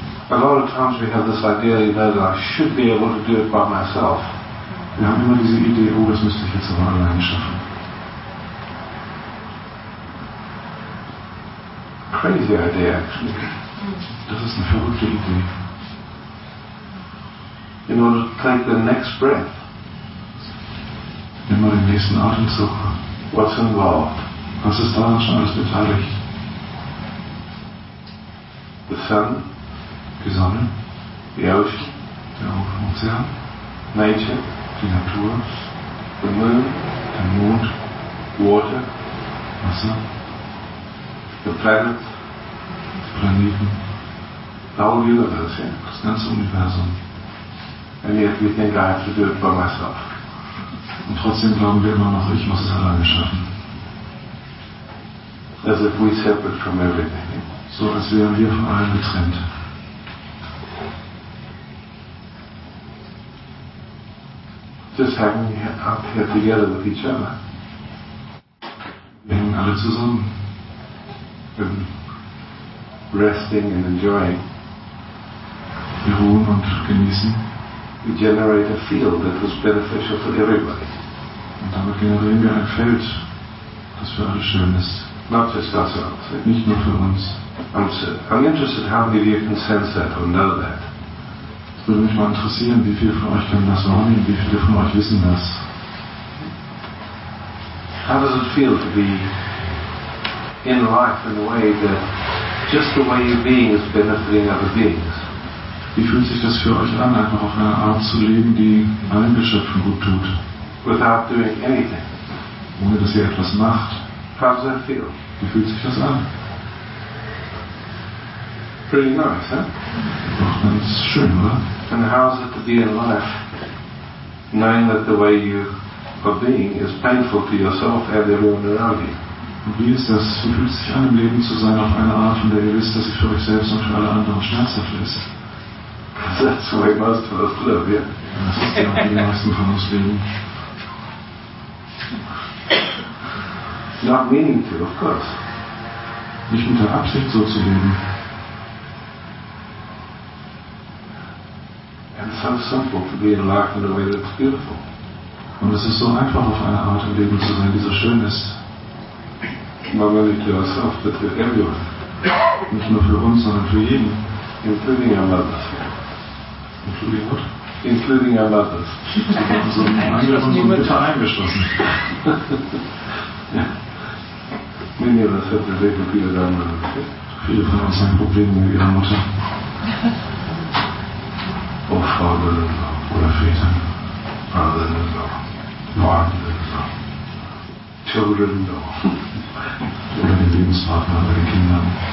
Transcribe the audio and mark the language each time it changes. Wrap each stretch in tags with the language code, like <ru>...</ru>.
<en>A lot of times we have this idea, you know, that I should be able to do it by myself.</en> <de>Wir haben immer diese Idee, oh, das müsste ich jetzt aber alleine schaffen.</de> <en>Crazy idea, actually.</en> <de>Das ist eine verrückte Idee.</de> <en>In order to take the next breath.</en> <de>Nimm mal den nächsten Atemzug.</de> <en>What's involved?</en> <de>Was ist daran schon alles beteiligt?</de> <en>The sun.</en> <de>Die Sonne.</de> <en>The ocean.</en> <de>Der Ozean.</de> <en>Nature.</en> <de>Die Natur.</de> <en>The moon.</en> <de>Der Mond.</de> <en>Water.</en> <de>Wasser.</de> <en>The planets.</en> <de>Planeten.</de> <en>The whole universe, yeah.</en> <de>Das ganze Universum.</de> <en>And yet we think I have to do it by myself.</en> <de>Und trotzdem glauben wir immer noch, ich muss es alleine schaffen.</de> <en>as if we separate from everything.</en> <de>So als wären wir von allem getrennt.</de> <en>Just having up here together with each other.</en> <de>Wir hängen alle zusammen.</de> <en>And resting and enjoying.</en> <de>Wir ruhen und genießen.</de> <en>We generate a field that was beneficial for everybody.</en> <de>Und damit generieren wir ein Feld, das für alle schön ist.</de> <en>Not just ourselves.</en> <de>Nicht nur für uns.</de> <en>I'm interested how many of you can sense that or know that.</en> <de>Es würde mich mal interessieren, wie viele von euch können das wahrnehmen, wie viele von euch wissen das.</de> <en>How does it feel to be in life in a way that just the way you're being is benefiting other beings?</en> <de>Wie fühlt sich das für euch an, einfach auf eine Art zu leben, die allen Geschöpfen gut tut?</de> <en>Without doing anything.</en> <de>Ohne dass ihr etwas macht.</de> <en>How does that feel?</en> <de>Wie fühlt sich das an?</de> <en>Pretty nice, huh?</en> <de>Doch, das ist schön, oder?</de> <en>And how is it to be in life, knowing that the way you are being is painful to yourself and everyone around you?</en> <de>Und wie ist das? Wie fühlt sich an, im Leben zu sein auf eine Art, in der ihr wisst, dass es für euch selbst und für alle anderen schmerzhaft ist?</de> <en>That's the way most of us live, yeah.</en> <de>Das ist ja, wie die meisten von uns leben.</de> <en>Not meaning to, of course.</en> <de>Nicht mit der Absicht, so zu leben.</de> <en>And so simple to be in life in a way that's beautiful.</en> <de>Und es ist so einfach, auf eine Art im Leben zu sein, die so schön ist.</de> <en>Not only to yourself, but to everyone.</en> <de>Nicht nur für uns, sondern für jeden.</de> <en>Including our mothers. Including what? Including our mothers.</en> <de>So bitte eingeschlossen.</de> <en>Many of us have the same problem with our mother.</en> <de>Viele von uns haben Probleme mit ihrer Mutter.</de> <en>Oh, Father in law,</en> <de>oder Väter.</de> <en>Father in law. Martin in law. Children in law.</en> <de>Oder den Lebenspartner oder den Kindern.</de>